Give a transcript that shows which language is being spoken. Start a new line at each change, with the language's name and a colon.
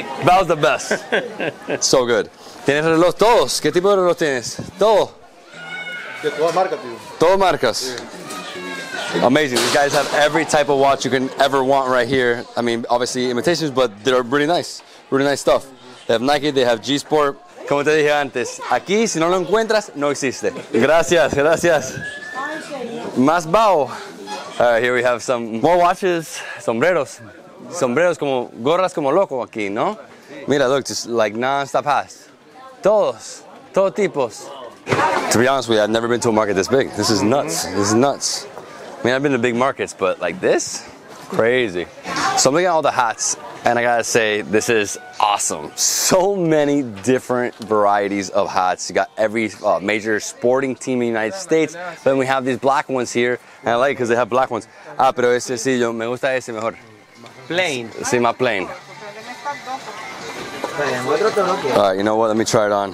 English: Bao's the best. So good.
Spanish: ¿Tienes reloj todos? ¿Qué tipo de reloj tienes? Todo. De todas marcas, tío. Todas marcas. Sí.
English: Amazing. These guys have every type of watch you can ever want right here. I mean, obviously imitations, but they're really nice. Really nice stuff. They have Nike, they have G-Sport.
Spanish: Como te dije antes, aquí si no lo encuentras, no existe. Gracias, gracias. Más bao.
English: Here we have some more watches, sombreros.
Spanish: Sombreros como gorras como loco aquí, ¿no?
English: Mira, look, just like non-stop hats.
Spanish: Todos, todos tipos.
English: To be honest with you, I've never been to a market this big. This is nuts, this is nuts. I mean, I've been to big markets, but like this? Crazy. So I'm looking at all the hats, and I gotta say, this is awesome. So many different varieties of hats. You got every major sporting team in the United States. Then we have these black ones here, and I like it because they have black ones.
Spanish: Ah, pero ese sí, yo me gusta ese mejor.
English: Plain.
Spanish: Sí, más plain.
English: All right, you know what? Let me try it on.